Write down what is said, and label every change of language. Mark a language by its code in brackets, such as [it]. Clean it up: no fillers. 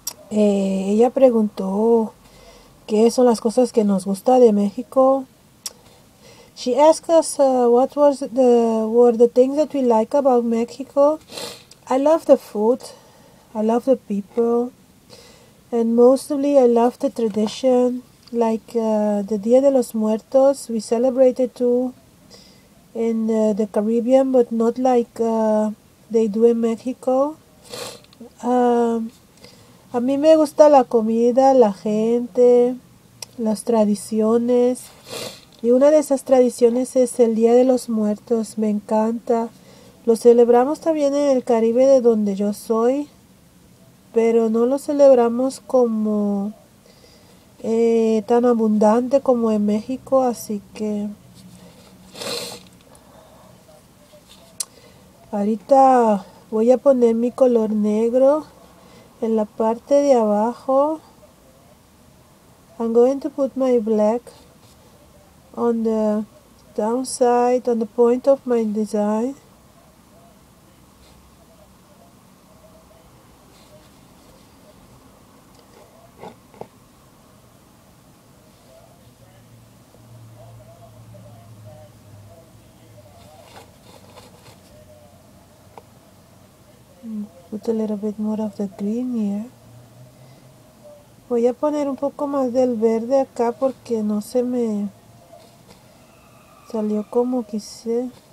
[es] Ella preguntó qué son las cosas que nos gusta de México. [en] She asked us what was the were the things that we like about Mexico. I love the food, I love the people, and mostly I love the tradition, like the Día de los Muertos. We celebrate it too in the Caribbean, but not like they do in Mexico. [es] A mí me gusta la comida, la gente, las tradiciones. Y una de esas tradiciones es el Día de los Muertos. Me encanta. Lo celebramos también en el Caribe de donde yo soy. Pero no lo celebramos como tan abundante como en México. Así que ahorita voy a poner mi color negro en la parte de abajo. [en] I'm going to put my black on the downside, on the point of my design. Put a little bit more of the green here. [es] Voy a poner un poco más del verde acá porque no se me salió como quise.